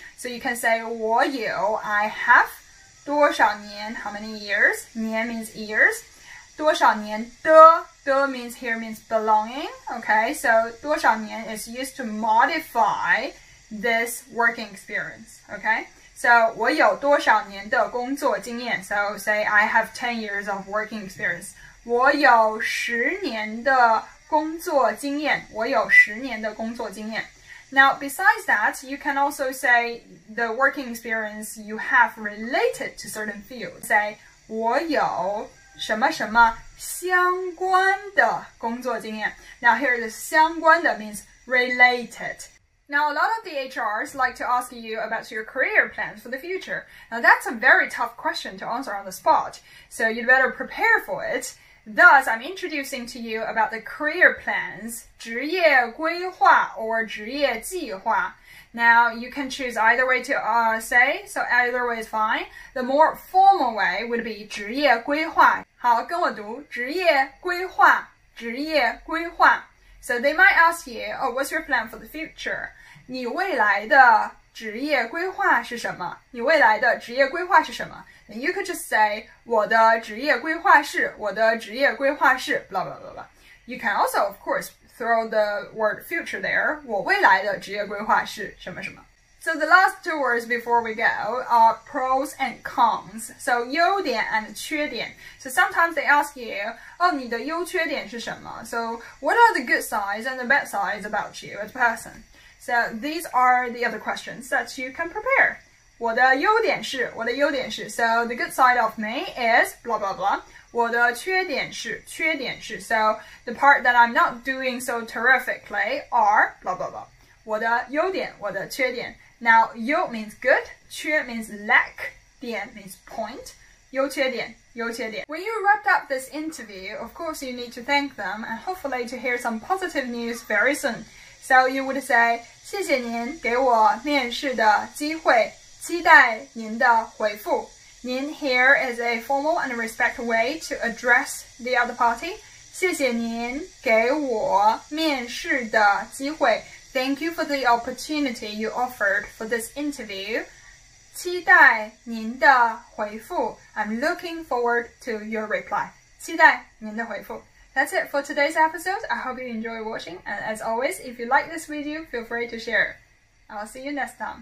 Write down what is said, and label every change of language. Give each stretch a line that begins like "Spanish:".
English: So you can say
Chinese: 我有,
English: I have
Chinese: 多少年,
English: how many years? 年 means years.
Chinese: 多少年的
English: means here means belonging, okay? So
Chinese: 多少年
English: is used to modify this working experience, okay?
Chinese: So 我有多少年的工作经验.
English: So say I have 10 years of working experience.
Chinese: 我有10年的 工作经验,我有10年的工作经验.
English: Now, besides that, you can also say the working experience you have related to certain fields. Say,
Chinese: 我有什么什么相关的工作经验.
English: Now, here the 相关的 means related. Now, a lot of the HRs like to ask you about your career plans for the future. Now, that's a very tough question to answer on the spot, so you'd better prepare for it. Thus, I'm introducing to you about the career plans,
Chinese: 职业规划
English: or
Chinese: 职业计划.
English: Now, you can choose either way to say, so either way is fine. The more formal way would be
Chinese: 职业规划.好,跟我读, 职业规划, 职业规划.
English: So they might ask you, oh, what's your plan for the future?
Chinese: 你未来的职业规划是什么？你未来的职业规划是什么？
English: You could just say,
Chinese: 我的职业规划是，我的职业规划是
English: blah blah blah blah. You can also, of course, throw the word future there.
Chinese: 我未来的职业规划是什么什么。
English: So the last two words before we go are pros and cons. So
Chinese: 优点
English: and
Chinese: 缺点.
English: So sometimes they ask you, oh,
Chinese: 你的优缺点是什么?
English: So what are the good sides and the bad sides about you as a person? So these are the other questions that you can prepare.
Chinese: 我的优点是,我的优点是.
English: So the good side of me is blah blah blah.
Chinese: 我的缺点是,缺点是.
English: So the part that I'm not doing so terrifically are blah blah blah.
Chinese: 我的优点，我的缺点。
English: Now,
Chinese: 优
English: means good,
Chinese: 缺
English: means lack,
Chinese: 点
English: means point.
Chinese: 优缺点，优缺点。
English: When you wrap up this interview, of course you need to thank them and hopefully to hear some positive news very soon. So you would say,
Chinese: 谢谢您给我面试的机会，期待您的回复。
English: 您 here is a formal and respectful way to address the other party.
Chinese: 谢谢您给我面试的机会。
English: Thank you for the opportunity you offered for this interview.
Chinese: 期待您的回复。
English: I'm looking forward to your reply.
Chinese: 期待您的回复。
English: That's it for today's episode. I hope you enjoy watching. And as always, if you like this video, feel free to share. I'll see you next time.